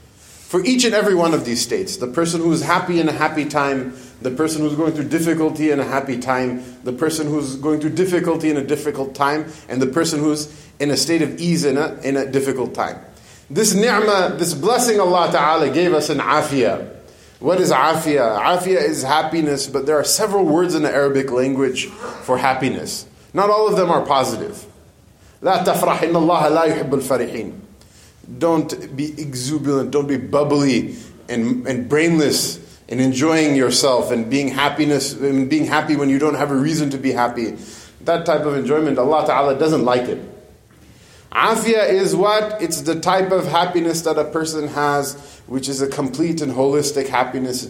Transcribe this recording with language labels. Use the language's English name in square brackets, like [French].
[English] For each and every one of these states. The person who is happy in a happy time, the person who is going through difficulty in a happy time, the person who is going through difficulty in a difficult time, and the person who is in a state of ease in a difficult time. This ni'mah, this blessing Allah Ta'ala gave us in afia. What is afia? Afia is happiness, but there are several words in the Arabic language for happiness. Not all of them are positive. [Arabic] لا تفرح إن الله لا يحب الفرحين. [English] Don't be exuberant, don't be bubbly and brainless in enjoying yourself and being happy when you don't have a reason to be happy. That type of enjoyment, Allah Ta'ala doesn't like it. Afia is what? It's the type of happiness that a person has, which is a complete and holistic happiness.